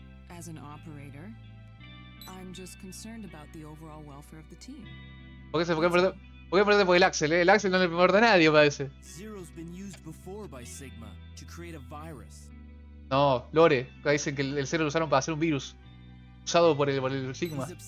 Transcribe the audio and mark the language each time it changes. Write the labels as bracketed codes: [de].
[en] As an operator, I'm just concerned about the overall welfare of the team. [es] ¿Por qué el Axel, eh? El Axel no le importa a nadie, parece. [en] Zero's been used before by Sigma to create a virus. [es] No, Lore, dicen que el cero lo usaron para hacer un virus usado por el Sigma.